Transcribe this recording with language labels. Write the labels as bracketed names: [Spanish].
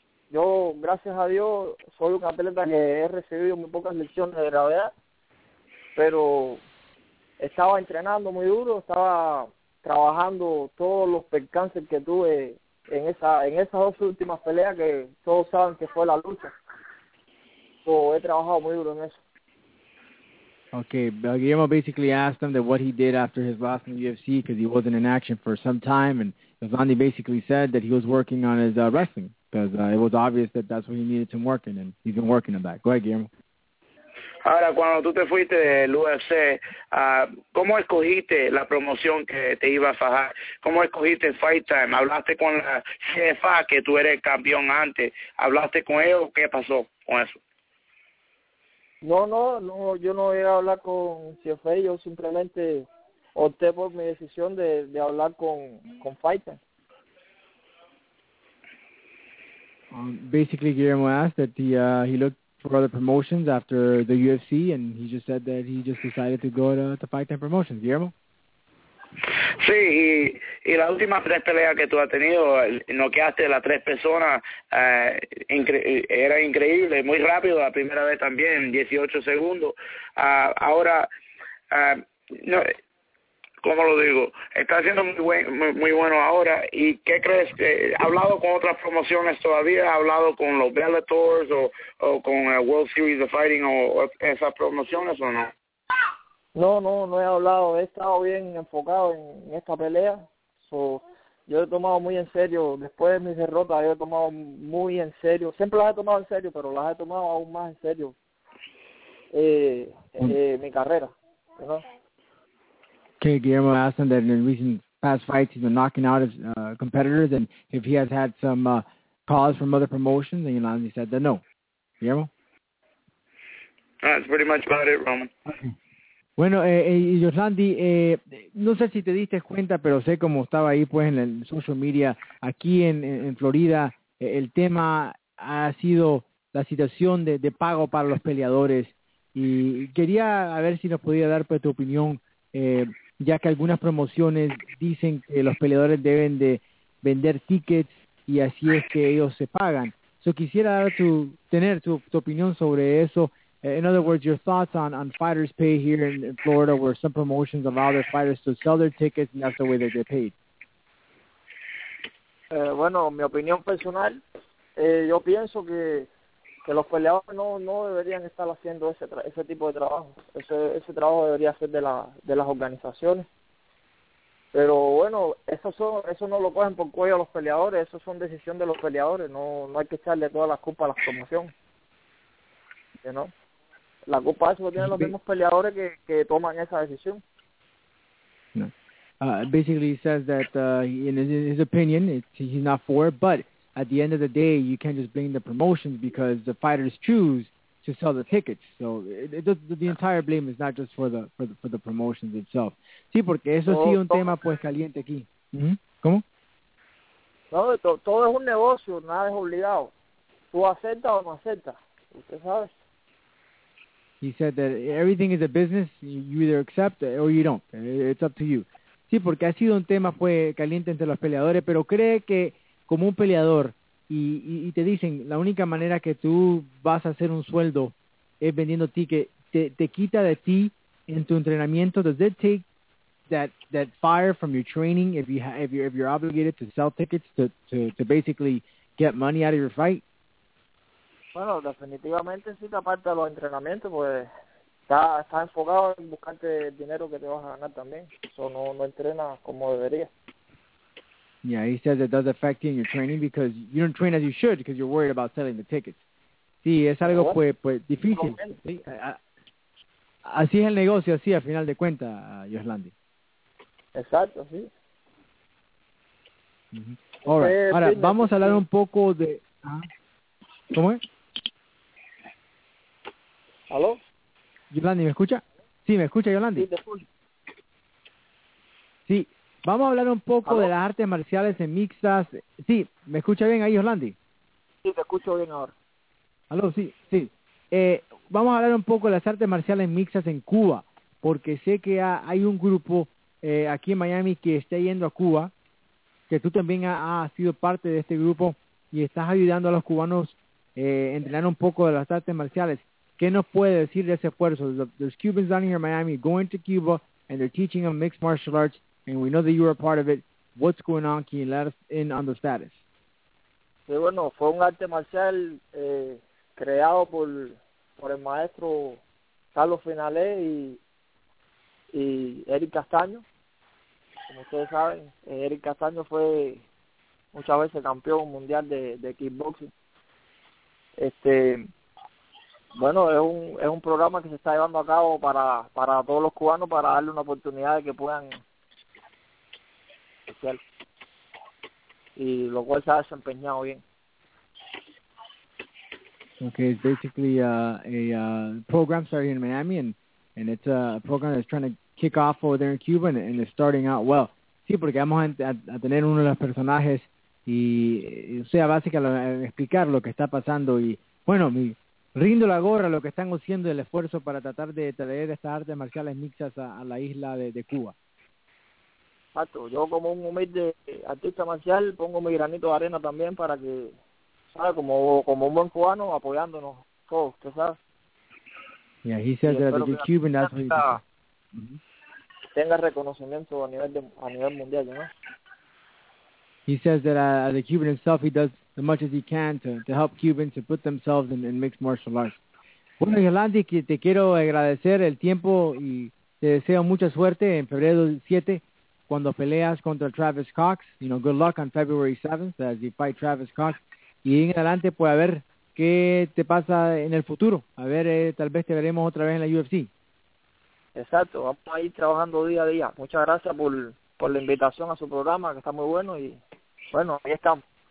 [Spanish] Yo, gracias a Dios, soy un atleta que he recibido muy pocas lesiones de gravedad, pero estaba entrenando muy duro, estaba trabajando todos los percances que tuve en esas dos últimas peleas, que todos saben que fue la lucha. So, he trabajado muy duro en eso. [English] Okay, Guillermo basically asked him that what he did after his loss in the UFC, because he wasn't in action for some time, and Yoslandi basically said that he was working on his wrestling, because it was obvious that that's what he needed to work in, and he's been working on that. Go ahead, Guillermo. [Spanish] Ahora, cuando tú te fuiste del UFC, ¿cómo escogiste la promoción que te iba a fajar? ¿Cómo escogiste Fight Time? ¿Hablaste con la CFA, que tú eres el campeón antes? ¿Hablaste con ellos? ¿Qué pasó con eso? No, yo no voy a hablar con CFA, yo simplemente opté por mi decisión de hablar con Fighter. [English] Basically, Guillermo asked that he looked for other promotions after the UFC, and he just said that he just decided to go to Fight Time Promotions. Guillermo? [Spanish] Sí, y las últimas tres peleas que tú has tenido, noqueaste las tres personas, era increíble, muy rápido, la primera vez también, 18 segundos. Ahora, no, ¿cómo lo digo? Está siendo muy bueno ahora, ¿y qué crees? ¿Has hablado con otras promociones todavía? ¿Has hablado con los Bellators o con World Series of Fighting o esas promociones o no? No he hablado, he estado bien enfocado en esta pelea. Yo he tomado muy en serio, después de mis derrotas, yo he tomado muy en serio. Siempre las he tomado en serio, pero las he tomado aún más en serio mi carrera, ¿no? [English] Okay, Guillermo asked him that in his recent past fights he's been knocking out his competitors, and if he has had some calls from other promotions, and he said that no. Guillermo? That's pretty much about it, Roman. Okay. [Spanish] Bueno, Yoslandi, no sé si te diste cuenta, pero sé cómo estaba ahí pues en el social media aquí en Florida. El tema ha sido la situación de pago para los peleadores, y quería a ver si nos podía dar pues tu opinión, ya que algunas promociones dicen que los peleadores deben de vender tickets y así es que ellos se pagan. So quisiera tener tu opinión sobre eso. [English] In other words, your thoughts on fighters' pay here in Florida, where some promotions allow their fighters to sell their tickets, and that's the way they get paid. [Spanish] Bueno, mi opinión personal, yo pienso que los peleadores no deberían estar haciendo ese tipo de trabajo. Ese trabajo debería ser de las organizaciones. Pero bueno, eso no lo cogen por cuello los peleadores. Eso son decisión de los peleadores. No hay que echarle toda la culpa a las promociones. ¿Sí, no? La culpa es que tienen los mismos peleadores que toman esa decisión. No. [English] Basically, he says that in his opinion, he's not for it, but at the end of the day, you can't just blame the promotions because the fighters choose to sell the tickets. So the entire blame is not just for the promotions itself. [Spanish] Sí, porque eso sí un tema pues caliente aquí. Mm-hmm. ¿Cómo? No, todo es un negocio, nada es obligado. Tú aceptas o no aceptas, usted sabe. [English] He said that everything is a business, you either accept or you don't. It's up to you. [Spanish] Sí, porque ha sido un tema pues caliente entre los peleadores, pero cree que como un peleador y te dicen la única manera que tú vas a hacer un sueldo es vendiendo tickets, te quita de ti en tu entrenamiento, [English] does it take that fire from your training if you're obligated to sell tickets to basically get money out of your fight? [Spanish] Bueno, definitivamente sí, aparte de los entrenamientos, pues está enfocado en buscarte el dinero que te vas a ganar también. Eso no entrena como debería. [English] Yeah, he says it does affect you in your training because you don't train as you should because you're worried about selling the tickets. [Spanish] Sí, es algo pues difícil. ¿Sí? Así es el negocio, así al final de cuentas, Yoslandi. Exacto, sí. [English] Mm-hmm. All right. [Spanish] Ahora, fitness, vamos a hablar un poco de... ¿Ah? ¿Cómo es? ¿Aló? Yolandi, ¿me escucha? Sí, ¿me escucha, Yolandi? Sí, te escucho. Sí, vamos a hablar un poco de las artes marciales en mixtas. Sí, ¿me escucha bien ahí, Yolandi? Sí, te escucho bien ahora. ¿Aló? Sí. Vamos a hablar un poco de las artes marciales mixtas en Cuba, porque sé que hay un grupo aquí en Miami que está yendo a Cuba, que tú también has sido parte de este grupo y estás ayudando a los cubanos entrenar un poco de las artes marciales. ¿Qué nos puede decir de ese esfuerzo? [English] There's Cubans down here in Miami going to Cuba and they're teaching them mixed martial arts, and we know that you are part of it. What's going on? Can you let us in on the status? [Spanish] Sí, bueno, fue un arte marcial creado por el maestro Carlos Finalé y Eric Castaño. Como ustedes saben, Eric Castaño fue muchas veces campeón mundial de kickboxing. Bueno, es un programa que se está llevando a cabo para todos los cubanos, para darle una oportunidad de que puedan hacerlo. Y lo cual se ha desempeñado bien. [English] Okay, it's basically a program starting in Miami, and it's a program that's trying to kick off over there in Cuba, and it's starting out well. [Spanish] Sí, porque vamos a tener uno de los personajes y sea básicamente explicar lo que está pasando y bueno, mi rindo la gorra lo que están haciendo el esfuerzo para tratar de traer estas artes marciales mixtas a la isla de Cuba. Exacto, yo como un humilde artista marcial pongo mi granito de arena también para que, ¿sabes? Como un buen cubano apoyándonos todos, ¿qué sabes? [English] Yeah, he says that the Cuban that's what he said. [Spanish] Tenga reconocimiento a nivel mundial, ¿no? [English] He says that as a Cuban himself, he does as much as he can to help Cubans to put themselves in mixed martial arts. [Spanish] Bueno, Yolandi, que te quiero agradecer el tiempo y te deseo mucha suerte en febrero 7 cuando peleas contra Travis Cox. [English] You know, good luck on February 7th as you fight Travis Cox. [Spanish] Y en adelante, pues, a ver qué te pasa en el futuro. A ver, tal vez te veremos otra vez en la UFC. Exacto, vamos a ir trabajando día a día. Muchas gracias por la invitación a su programa, que está muy bueno, y bueno, ahí estamos.